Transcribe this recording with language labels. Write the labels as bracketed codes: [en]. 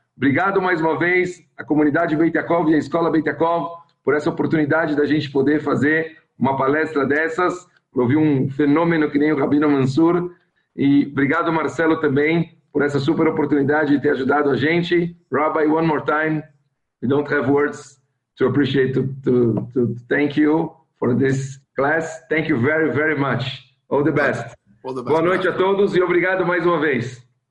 [pt] Obrigado mais uma vez à comunidade Beit Yaakov e à Escola Beit Yaakov por essa oportunidade da gente poder fazer uma palestra dessas. Eu vi um fenômeno que nem o Rabino Mansur. E obrigado, Marcelo, também, por essa super oportunidade de ter ajudado a gente. [en] Rabbi, one more time. We don't have words to appreciate, to thank you for this class. Thank you very, very much. All the best. [pt] Boa noite a todos e obrigado mais uma vez.